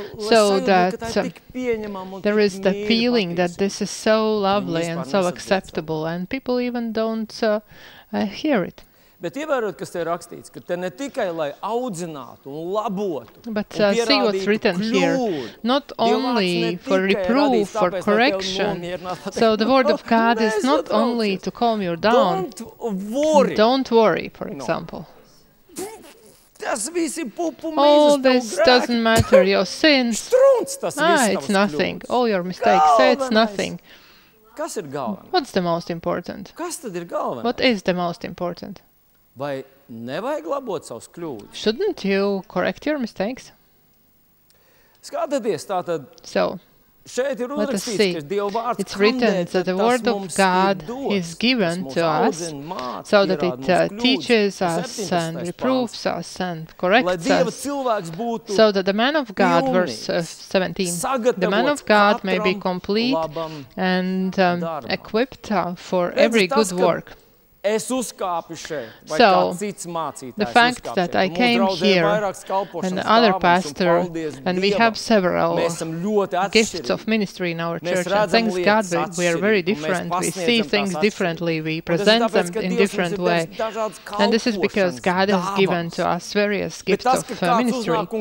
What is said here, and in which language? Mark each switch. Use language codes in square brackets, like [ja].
[en] So that there is the feeling that this is so lovely and so acceptable and people even don't hear it. [lv] Bet ievērot, kas te ir rakstīts, ka te ne tikai lai audzinātu un labotu, [en] But, [lv] un pierādītu [en] see what's written [lv] kļūdu. [en] Here. Not only for reproof, [lv] radīs, [en] for correction. So the word of God is not only to calm you down. Don't worry, for example. [lv] tas visi pupu mīzes, [en] all this doesn't matter, your sins. [lv] Štrunc, tas [en] it's nothing. All your mistakes, it's nothing. [lv] Kas ir galvenais? [en] What's the most important? [lv] Kas tad ir galvenais? [en] What is the most important? [lv] Vai nevajag labot savus kļūdus? [en] Shouldn't you correct your mistakes? [lv] Skatieties, tātad [en] so, [lv] šeit ir uzrakstīts, ka Dieva vārds [en] it's written that the word of God is given to us so that it teaches us and reproves us and corrects us. So that the man of God, verse 17, the man of God may be complete and equipped for every good work. [lv] Es uzkāpu šeit, vai kāds cits mācītājs. [en] The fact that I came here and the other pastor, and we have several gifts of ministry in our church, and thanks God, we are very different. We see things differently, we present them in different way. And this is because God has given to us various gifts of ministry.